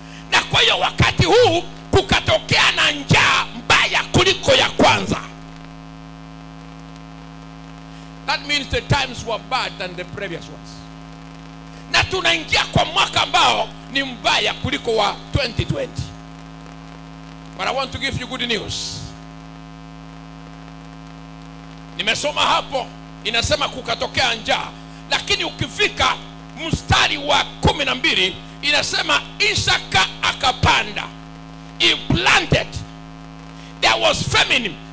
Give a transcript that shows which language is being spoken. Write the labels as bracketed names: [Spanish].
[Swahili] Na kwa hiyo wakati huu kukatokea na njaa mbaya kuliko ya kwanza. [English] That means the times were bad than the previous ones. [Swahili] Na tunaingia kwa mwaka ambao ni mbaya kuliko wa 2020. [English] But I want to give you good news. [Swahili] Nimesoma hapo inasema kukatokea njaa. Lakini ukifika mstari wa 12 inasema Isaka akapanda. [English] He planted. There was famine.